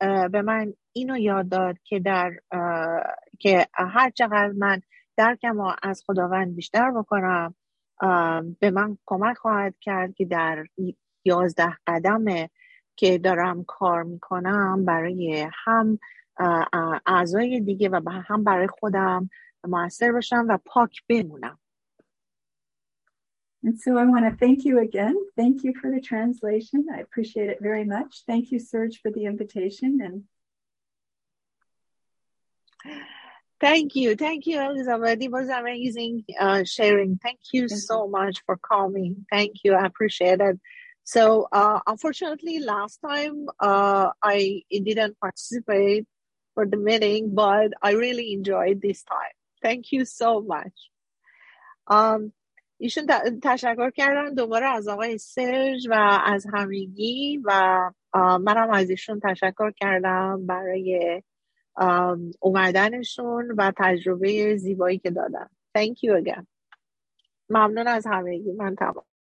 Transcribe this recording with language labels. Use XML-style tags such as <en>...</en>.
<fa>به من اینو یاد داد که که هر چقدر من درکم رو از خداوند بیشتر بکنم به من کمک خواهد کرد که در 11 قدمه که دارم کار میکنم برای هم اعضای دیگه و هم برای خودم معصر بشم و پاک بمونم.</fa> <en>And so I want to thank you again. Thank you for the translation. I appreciate it very much. Thank you, Serge, for the invitation. And Thank you, Elizabeth. It was amazing sharing. Thank you so much for coming. Thank you. I appreciate it. So unfortunately, last time I didn't participate for the meeting, but I really enjoyed this time. Thank you so much.</en> <fa>ایشون تشکر کردن دوباره از آقای سرژ و از همگی و منم از ایشون تشکر کردم برای اومدنشون و تجربه زیبایی که دادن.</fa> <en>Thank you again.</en> <fa>ممنون از همگی. من تمام.</fa>